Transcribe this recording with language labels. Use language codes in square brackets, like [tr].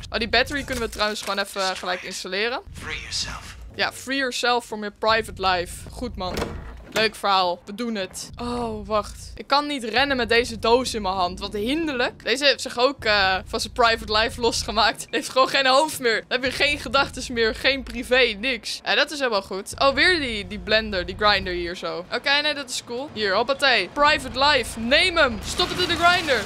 [nl] Oh, die battery kunnen we trouwens gewoon even gelijk installeren. [en] Ja, free yourself from your private life. [nl] Goed, man. Leuk verhaal. We doen het. Oh, wacht. Ik kan niet rennen met deze doos in mijn hand. Wat hinderlijk. Deze heeft zich ook van zijn private life losgemaakt. Heeft gewoon geen hoofd meer. Dan heb je geen gedachten meer. Geen privé. Niks. Ja, dat is helemaal goed. Oh, weer die blender. Die grinder hier zo. Oké, nee, dat is cool. Hier, hoppatee. Private life. Neem hem. Stop het in de grinder.